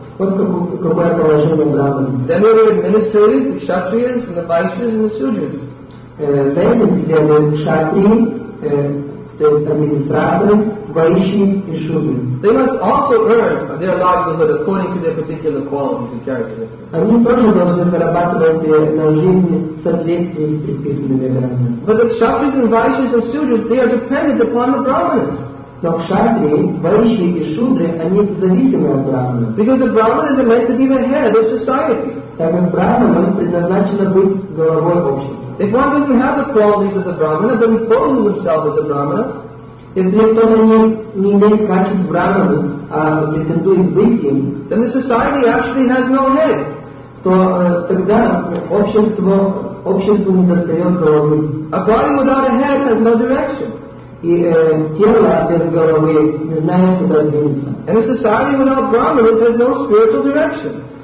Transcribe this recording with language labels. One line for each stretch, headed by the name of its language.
Russian: Вот какое положение Брахмана.
English: Then there are the administrators, the kshatriyas, and the vaishyas, and the sudras.
Russian: За этим следует кшатри, то есть администраторы, ваиши и шудры.
English: They must also earn their livelihood according to their particular qualities and characteristics.
Russian: Они тоже должны зарабатывать на жизнь в соответствии с предписанными Брахманами.
English: But the kshatriyas and vaishyas and sudras, they are dependent upon the Brahmanas.
Russian: Но кшатри, ваиши и шудры, они зависимы от Брахмана.
English: Because the Brahmanas are meant to be the head of society.
Russian: Так как Брахмана предназначена быть головой общества.
English: If one doesn't have the qualities of the Brahmana, then he poses himself as a Brahmana. If
Russian: никто не имеет качеств Брахмана, а претендует быть им,
English: then the society actually has no head.
Russian: То тогда общество не достает головы.
English: A body without a head has no direction.
Russian: И тело без головы не знает, куда двинуться.
English: And a society without Brahmanas has no spiritual direction.